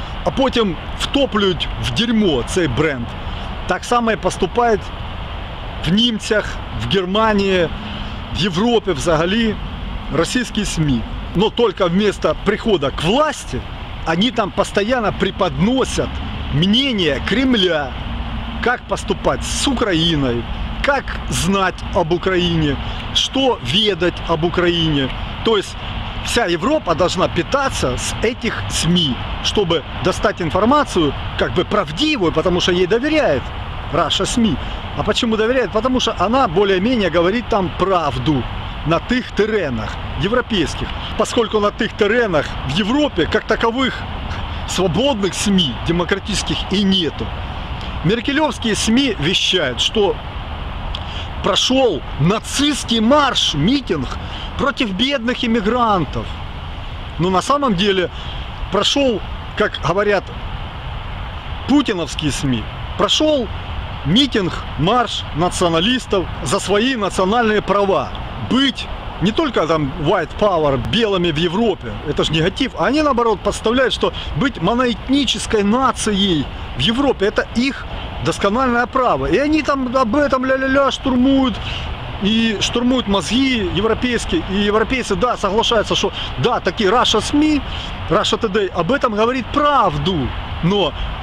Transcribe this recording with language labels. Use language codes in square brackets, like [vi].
[uk] А потім втоплюють в дерьмо цей бренд. Так само і поступають в німцях, в Германії, в Європі взагалі російські СМІ. Но тільки вместо приходу к власті, вони там постійно преподносять мнення Кремля, як поступати з Україною. [ru] Как знать об Украине, что ведать об Украине. То есть вся Европа должна питаться с этих СМИ, чтобы достать информацию как бы правдивую, потому что ей доверяет Russia СМИ. А почему доверяет? Потому что она более-менее говорит там правду. [uk] на тих теренах, європейських, поскольку на тих теренах в Європі, як такових, свободних СМІ, демократичних, і нету. Меркельовські СМІ віщають, що пройшов нацистський марш, мітинг проти бідних іммігрантів. [ru] Ну, на самом деле, [uk] пройшов, як говорять путіновські СМІ, пройшов мітинг, марш націоналістів за свої національні права. [ru] Быть не только там [en] white power [ru] белыми в Европе, это же негатив, а они наоборот подставляют, что быть моноэтнической нацией в Европе, это их доскональное право. И они там об этом ля-ля-ля штурмуют, и штурмуют мозги европейские, и европейцы, да, соглашаются, что да, такие Russia СМИ, Russia Today об этом говорит правду, но